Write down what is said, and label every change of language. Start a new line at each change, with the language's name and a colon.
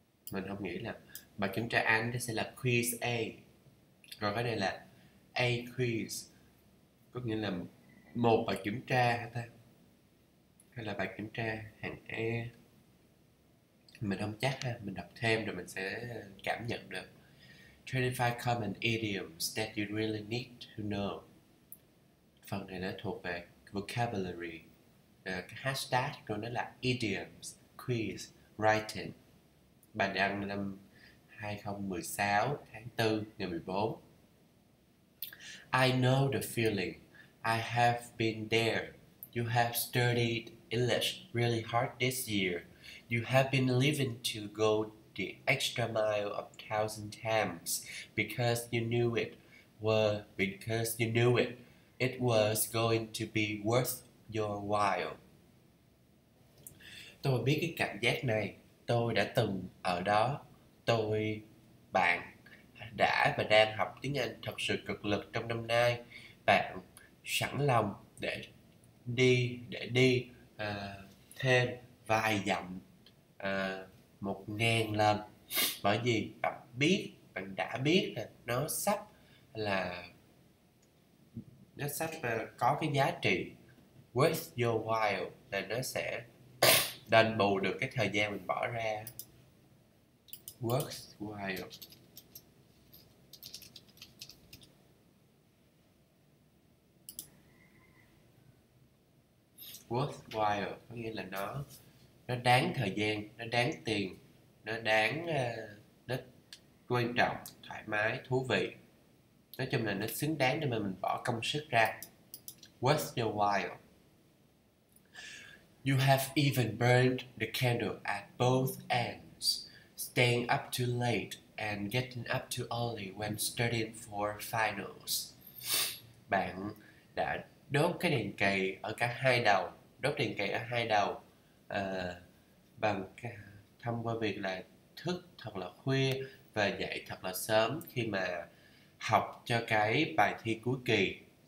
Vietnamese: Mình không nghĩ là bài kiểm tra A nó sẽ là quiz A. Rồi cái này là A quiz. Có nghĩa là một bài kiểm tra hả ta? Hay là bài kiểm tra hạng E? Mình không chắc ha, mình đọc thêm rồi mình sẽ cảm nhận được.
English: 25 common idioms that you really need to know.
Vietnamese: Phần này nó thuộc về vocabulary. Cái hashtag rồi nó là idioms, quiz, writing. Bài đăng năm 2016, tháng 4, ngày 14.
English: I know the feeling. I have been there. You have studied English really hard this year. You have been living to go the extra mile a thousand times because you knew it was going to be worth your while.
Vietnamese: Tôi biết cái cảm giác này. Tôi đã từng ở đó. Tôi, bạn đã và đang học tiếng Anh thật sự cực lực trong năm nay. Bạn sẵn lòng để đi thêm vài dặm, 1.000 lần, bởi vì bạn biết, bạn đã biết là nó sắp có cái giá trị
English: worth your while,
Vietnamese: là nó sẽ đền bù được cái thời gian mình bỏ ra.
English: Worth while.
Vietnamese: Worthwhile có nghĩa là nó đáng thời gian, nó đáng tiền, nó đáng, nó quan trọng, thoải mái, thú vị. Nói chung là nó xứng đáng để mà mình bỏ công sức ra.
English: Worth your while. You have even burned the candle at both ends, staying up too late and getting up too early when studying for finals.
Vietnamese: Bạn đã đốt cái đèn cầy ở cả hai đầu. Đốt đèn cày ở hai đầu bằng thông qua việc là thức thật là khuya và dậy thật là sớm khi mà học cho cái bài thi cuối kỳ.